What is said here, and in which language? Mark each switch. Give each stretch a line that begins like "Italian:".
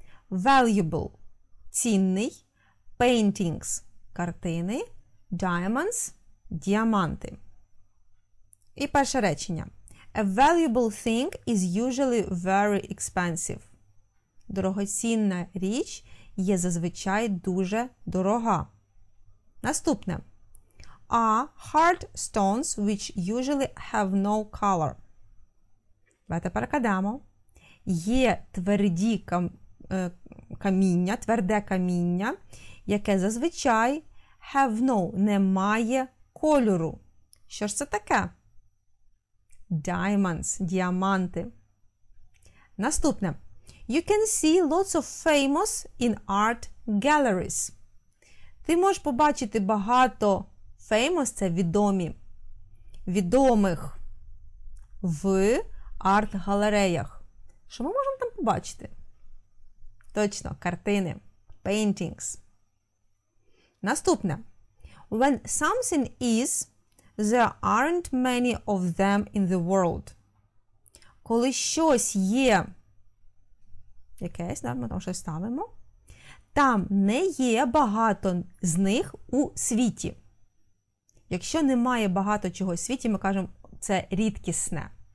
English: Valuable – цінний. Paintings – картини.
Ukrainian: Diamonds – діаманти. І перше речення.
English: A valuable thing is usually very expensive.
Ukrainian: Дорогоцінна річ є зазвичай дуже дорога. Наступне.
English: Are hard stones which usually have no color.
Ukrainian: Давайте перекладемо. Є тверді каміння, тверде каміння, яке зазвичай
English: have no,
Ukrainian: не має кольору. Що ж це таке? Diamonds, діаманти. Наступне.
English: You can see lots of famous in art galleries.
Ukrainian: Ти можеш побачити багато famous, це відомі, відомих в арт-галереях. Що ми можемо там побачити? Точно, картини, paintings. Наступне.
English: When something is, there aren't many of them in the world.
Ukrainian: Коли щось є, якесь, ми там щось ставимо, там не є багато з них у світі. Якщо немає багато чогось у світі, ми кажемо, це рідкісне.